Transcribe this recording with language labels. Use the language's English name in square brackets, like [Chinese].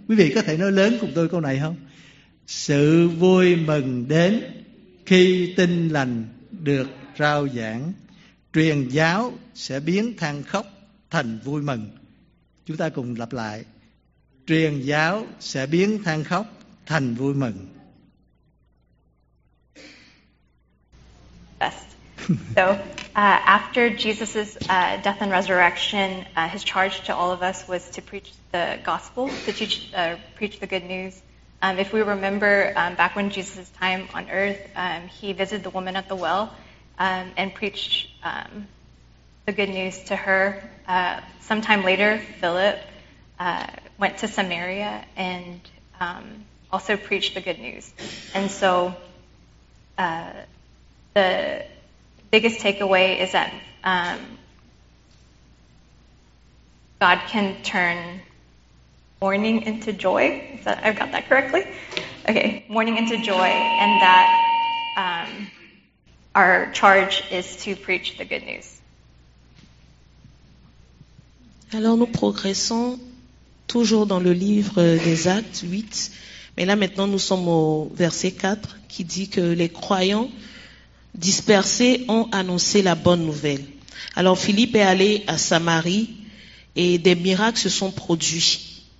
[Vietnamese] Quý vị có thể nói lớn cùng tôi câu này không? Sự vui mừng đến khi Tin Lành được rao giảng. Truyền giáo sẽ biến than khóc thành vui mừng. Chúng ta cùng lặp lại: truyền giáo sẽ biến than khóc thành vui mừng. Best. [English] So, after Jesus' death and resurrection, his charge to all of us was to preach the gospel, to teach, preach the good news. If we remember back when Jesus' time on earth, he visited the woman at the well and preached the good news to her. Sometime later, Philip went to Samaria and also preached the good news. And so the biggest takeaway is that God can turn mourning into joy. I've got that correctly? Okay, mourning into joy, and that our charge is to preach the good news. [French] Alors nous progressons toujours dans le livre des Actes 8, mais là maintenant nous sommes au verset 4 qui dit que les croyants dispersés ont annoncé la bonne nouvelle. Alors Philippe est allé à Samarie et des miracles se sont produits.